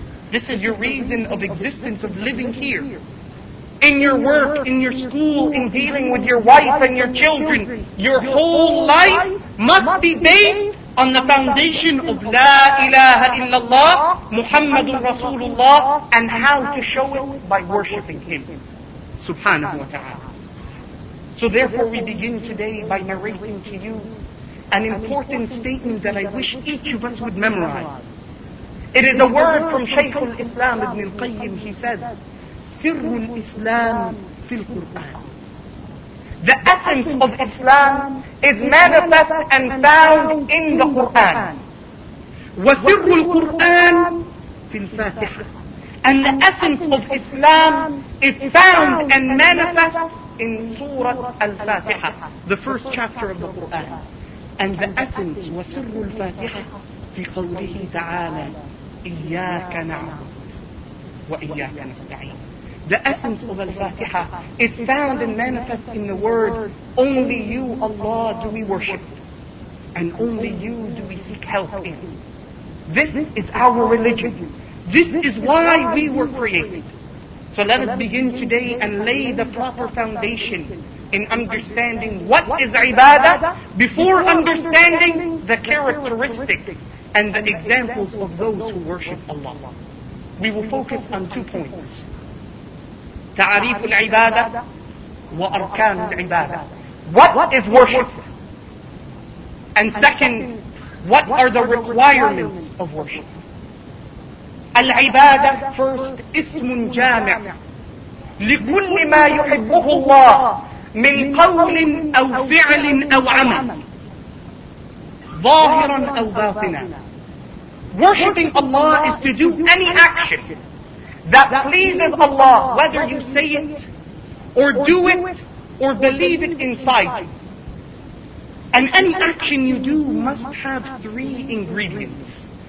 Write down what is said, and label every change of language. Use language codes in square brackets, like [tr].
[en] This is your reason of existence, of living here. In your work, in your school, in dealing with your wife and your children, your whole life must be based on the foundation of La ilaha illallah, Muhammadun Rasulullah, and how to show it by worshipping Him, subhanahu wa ta'ala. So therefore we begin today by narrating to you an important statement that I wish each of us would memorize. It is a word from Shaykh al-Islam ibn al-Qayyim. He says, [ar] سِرُّ الْإِسْلَامِ فِي الْقُرْآنِ. [en] The essence of Islam is manifest and found in the Qur'an. [ar] وَسِرُّ الْقُرْآنِ فِي الْفَاتِحَةِ. [en] And the essence of Islam is found and manifest in Surah Al-Fatiha, the first chapter of the Qur'an. And the essence, [ar] وَسِرُّ الْفَاتِحَةِ فِي قَوْلِهِ تَعَالَى إِيَّاكَ نَعْبُدُ وَإِيَّاكَ نَسْتَعِينُ. [en] The essence of Al-Fatiha, it's found and manifest in the word, only you, Allah, do we worship, and only you do we seek help in. This is our religion. This is why we were created. So let us begin today and lay the proper foundation in understanding what is ibadah before understanding the characteristics and the examples of those who worship Allah. We will focus on two points. [ar] تعريف العبادة وأركان العبادة. [en] What is worship? And second, what are the requirements of worship? [ar] العبادة [en] first, [ar] اسم جامع لكل ما يحبه الله من قول أو فعل أو عمل ظاهرا أو باطنا. [en] Worshipping Allah is to do any action that pleases Allah, whether you say it, or do it, or believe it inside. And any action you do must have three ingredients.